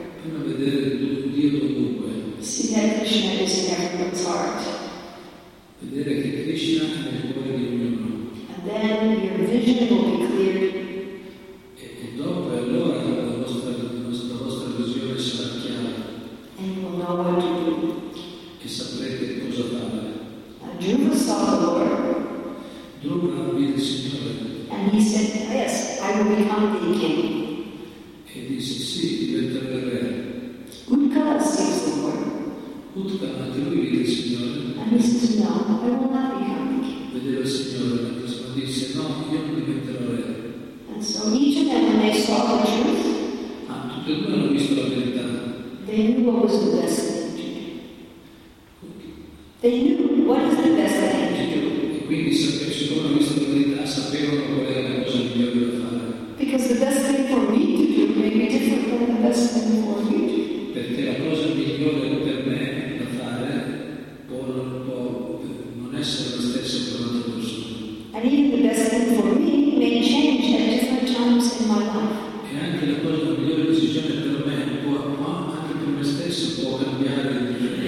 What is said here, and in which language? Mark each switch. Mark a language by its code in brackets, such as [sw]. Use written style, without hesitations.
[it] Prima vedere Dio ovunque. [en] See that Krishna is in everyone's heart. [it] Vedere che Krishna è nel cuore di ognuno. [en] And then your vision will be clear. [it] E dopo e allora la vostra visione sarà chiara. [en] And you will know what to do. [it] E saprete cosa fare. [en] Dhruva saw the Lord. [it] Dhruva vide il Signore. [en] And he said, yes, I will become the king. [it] E disse, sì, diventerò re. [en] Utkala sees the Lord. [it] Utkala, Dhruva vide il Signore. [en] And he says, no, I will not become the king. [it] Vedeva il Signore, ma disse, no, io non diventerò re. [en] And so each of them, when they saw the truth, [it] tutti e due hanno visto la verità. [en] They knew what was the best thing. They knew what is the best thing to do. [it] E quindi secondo questa verità sapevano qual era la cosa migliore da fare. [en] Because the best thing for me to do may be different from the best thing for you. [it] Perché la cosa migliore per me da fare può non essere la stessa per un'altra persona. [en] And even the best thing for me may change at different times in my life. [it] E anche la cosa migliore decisione per me può, ma anche per me stesso può cambiare.